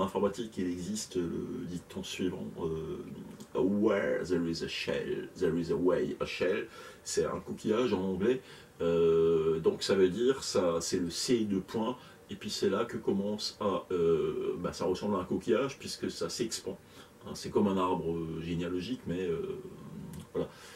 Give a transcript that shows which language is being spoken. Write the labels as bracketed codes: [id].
[fr] informatique, il existe le dicton suivant. [en] Where there is a shell, there is a way. [fr] A shell, c'est un coquillage en anglais. Donc ça veut dire, ça, c'est le C de point, et puis c'est là que commence à... ça ressemble à un coquillage, puisque ça s'expand. Hein, c'est comme un arbre généalogique, mais voilà.